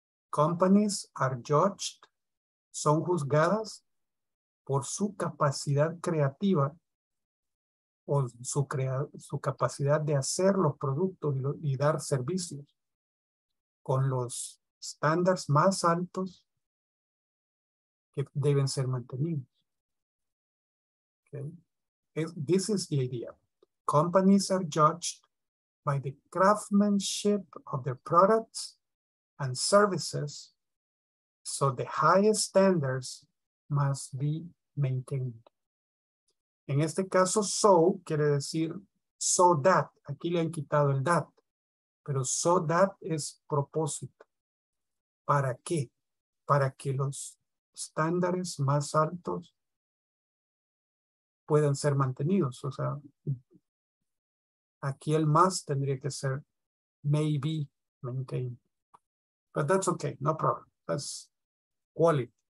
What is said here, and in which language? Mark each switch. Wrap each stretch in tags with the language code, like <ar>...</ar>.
<en>Companies are judged,</en> <es>son juzgadas por su capacidad creativa o su capacidad de hacer los productos y dar servicios con los estándares más altos que deben ser mantenidos.</es> <en>Okay. This is the idea. Companies are judged by the craftsmanship of their products and services, so the highest standards must be maintained.</en> <es>En este caso, so quiere decir so that. Aquí le han quitado el that, pero so that es propósito. ¿Para qué? Para que los estándares más altos puedan ser mantenidos. O sea, aquí el</es> <en>must</en> <es>tendría que ser</es> <en>maybe maintained. But that's okay, no problem. That's quality.</en>